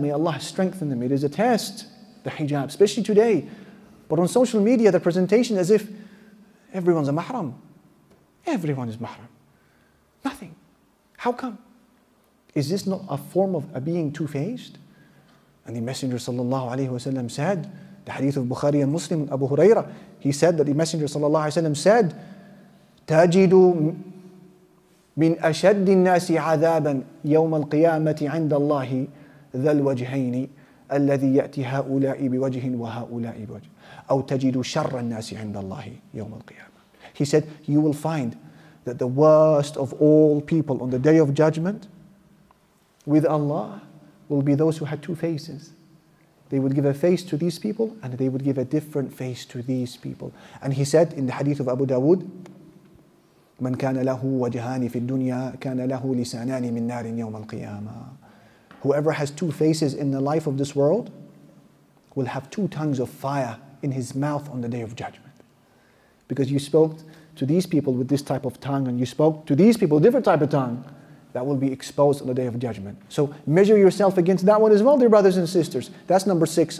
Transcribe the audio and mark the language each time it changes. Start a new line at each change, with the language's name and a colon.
English: May Allah strengthen them. It is a test, the hijab, especially today. But on social media, the presentation is as if everyone's a mahram. Everyone is mahram. Nothing. How come? Is this not a form of a being two-faced? And the Messenger وسلم, said, the hadith of Bukhari and Muslim, Abu Hurairah, he said that the Messenger sallallahu alayhi wa sallam said,
Arabic: تَجِدُ مِنْ أَشَدِّ النَّاسِ عَذَابًا يَوْمَ الْقِيَامَةِ عِنْدَ اللَّهِ ذَا الْوَجْهَيْنِ الَّذِي يَأْتِ هَؤُلَاءِ بِوَجْهٍ وَهَؤُلَاءِ بِوَجْهٍ أَوْ تَجِدُ شَرَّ النَّاسِ عِنْدَ اللَّهِ يَوْمَ الْقِيَامَةِ.
English: He said, you will find that the worst of all people on the Day of Judgment with Allah will be those who had two faces. They would give a face to these people and they would give a different face to these people. And he said in the hadith of Abu Dawood,
Arabic: مَنْ كَانَ لَهُ وَجْهَانِ فِي الدُّنْيَا كَانَ لَهُ لِسَانَانِ مِنْ نَارٍ يَوْمَ الْقِيَامَةِ.
English: Whoever has two faces in the life of this world will have two tongues of fire in his mouth on the Day of Judgment. Because you spoke to these people with this type of tongue and you spoke to these people with a different type of tongue, that will be exposed on the Day of Judgment. So measure yourself against that one as well, dear brothers and sisters. That's number six.